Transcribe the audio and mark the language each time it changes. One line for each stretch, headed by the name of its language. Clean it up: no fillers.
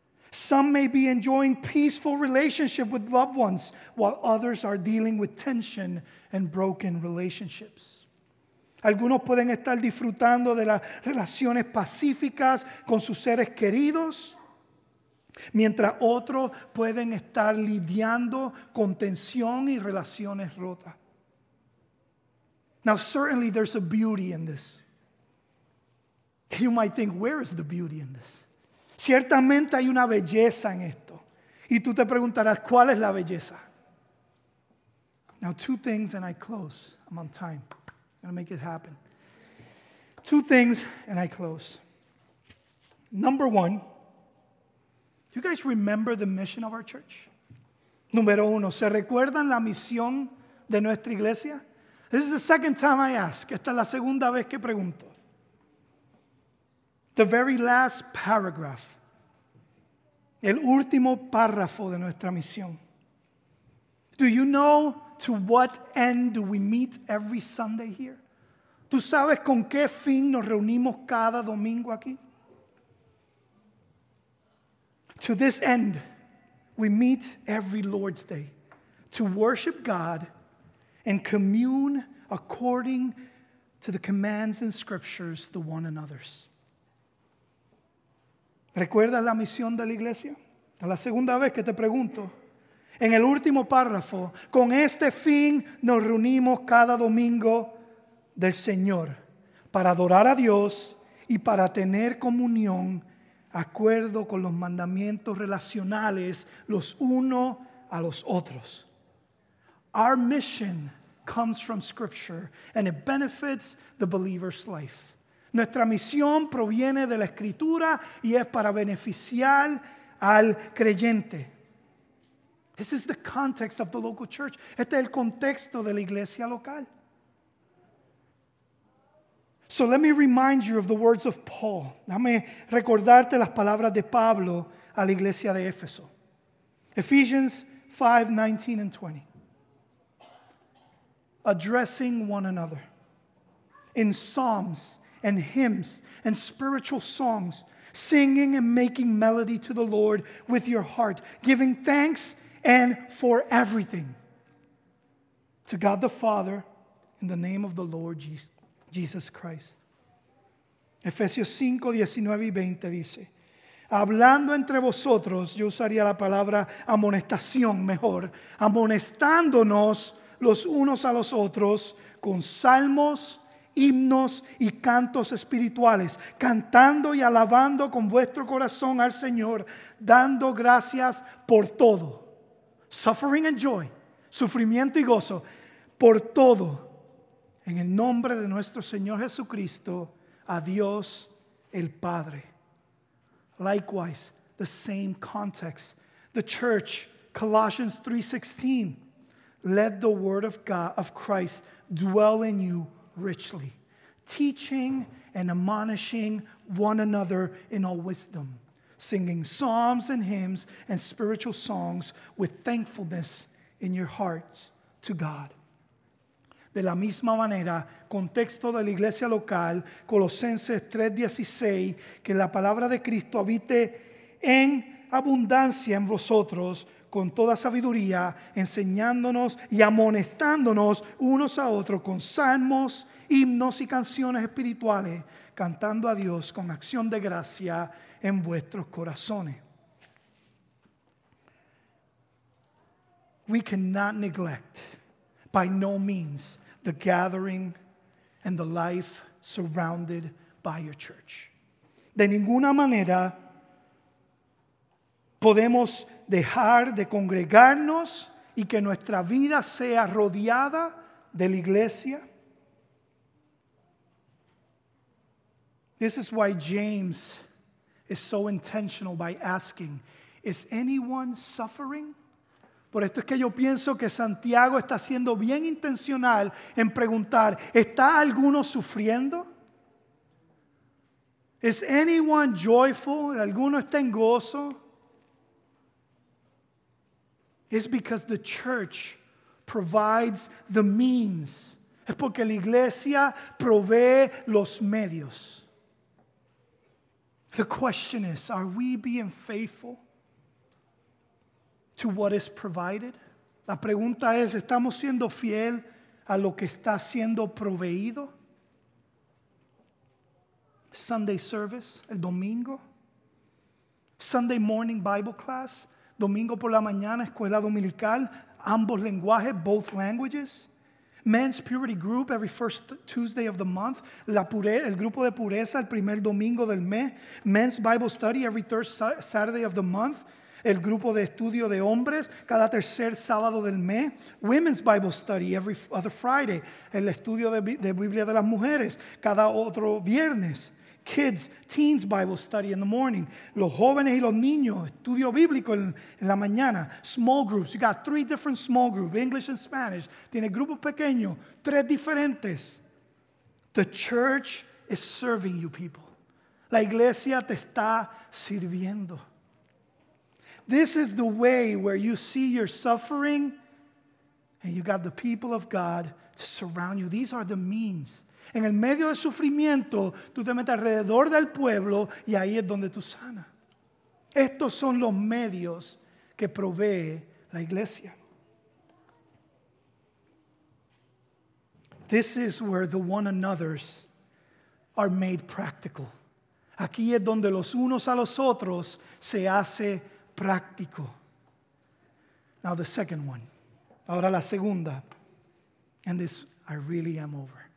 English: Some may be enjoying peaceful relationship with loved ones, while others are dealing with tension and broken relationships.
Spanish: Algunos pueden estar disfrutando de las relaciones pacíficas con sus seres queridos, mientras otros pueden estar lidiando con tensión y relaciones rotas.
English: Now, certainly there's a beauty in this. You might think, where is the beauty in this?
Spanish: Ciertamente hay una belleza en esto. Y tú te preguntarás, ¿cuál es la belleza?
English: Now, two things and I close. I'm on time. I'm going to make it happen. Two things and I close. Number one, you guys remember the mission of our church?
Spanish: Número uno, ¿se recuerdan la misión de nuestra iglesia?
English: This is the second time I ask.
Spanish: Esta es la segunda vez que pregunto.
English: The very last paragraph.
Spanish: El último párrafo de nuestra misión.
English: Do you know to what end do we meet every Sunday here?
Spanish: ¿Tú sabes con qué fin nos reunimos cada domingo aquí?
English: To this end, we meet every Lord's Day to worship God and commune according to the commands in scriptures to one another's.
Spanish: ¿Recuerdas la misión de la iglesia? Es la segunda vez que te pregunto. En el último párrafo, con este fin nos reunimos cada domingo del Señor para adorar a Dios y para tener comunión acuerdo con los mandamientos relacionales los unos a los otros.
English: Our mission comes from Scripture and it benefits the believer's life.
Spanish: Nuestra misión proviene de la Escritura y es para beneficiar al creyente.
English: This is the context of the local church.
Spanish: Este es el contexto de la iglesia local.
English: So let me remind you of the words of Paul.
Spanish: Dame recordarte las palabras de Pablo a la iglesia de Éfeso.
English: Ephesians 5, 19 and 20. Addressing one another. In psalms and hymns and spiritual songs, singing and making melody to the Lord with your heart, giving thanks and for everything to God the Father in the name of the Lord Jesus Christ.
Spanish: Efesios 5, 19 y 20 dice, hablando entre vosotros, yo usaría la palabra amonestación mejor, amonestándonos los unos a los otros con salmos, himnos y cantos espirituales, cantando y alabando con vuestro corazón al Señor, dando gracias por todo.
English: Suffering and joy,
Spanish: sufrimiento y gozo, por todo. En el nombre de nuestro Señor Jesucristo, a Dios el Padre.
English: Likewise, the same context, the church, Colossians 3:16, let the word of God, of Christ, dwell in you richly, teaching and admonishing one another in all wisdom, singing psalms and hymns and spiritual songs with thankfulness in your hearts to God.
Spanish: De la misma manera, contexto de la iglesia local, Colosenses 3:16, que la palabra de Cristo habite en abundancia en vosotros, con toda sabiduría, enseñándonos y amonestándonos unos a otros con salmos, himnos y canciones espirituales, cantando a Dios con acción de gracia en vuestros corazones.
English: We cannot neglect, by no means, the gathering and the life surrounded by your church.
Spanish: De ninguna manera podemos dejar de congregarnos y que nuestra vida sea rodeada de la iglesia.
English: This is why James is so intentional by asking, is anyone suffering?
Spanish: Por esto es que yo pienso que Santiago está siendo bien intencional en preguntar, ¿está alguno sufriendo?
English: Is anyone joyful?
Spanish: ¿Alguno está en gozo?
English: It's because the church provides the means.
Spanish: Es porque la iglesia provee los medios.
English: The question is, are we being faithful to what is provided?
Spanish: La pregunta es, ¿estamos siendo fiel a lo que está siendo proveído?
English: Sunday service,
Spanish: el domingo.
English: Sunday morning Bible class.
Spanish: Domingo por la mañana, escuela dominical, ambos lenguajes,
English: both languages. Men's Purity Group, every first Tuesday of the month.
Spanish: La pureza, el grupo de pureza, el primer domingo del mes.
English: Men's Bible Study, every third Saturday of the month.
Spanish: El grupo de estudio de hombres, cada tercer sábado del mes.
English: Women's Bible Study, every other Friday.
Spanish: El estudio de Biblia de las mujeres, cada otro viernes.
English: Kids, teens Bible study in the morning.
Spanish: Los jóvenes y los niños, estudio bíblico en la mañana.
English: Small groups, you got three different small groups, English and Spanish.
Spanish: Tiene grupos pequeños, tres diferentes.
English: The church is serving you, people.
Spanish: La iglesia te está sirviendo.
English: This is the way where you see your suffering and you got the people of God to surround you. These are the means.
Spanish: En el medio del sufrimiento, tú te metes alrededor del pueblo y ahí es donde tú sanas. Estos son los medios que provee la iglesia.
English: This is where the one another's are made practical.
Spanish: Aquí es donde los unos a los otros se hace práctico.
English: Now the second one.
Spanish: Ahora la segunda.
English: And this, I really am over.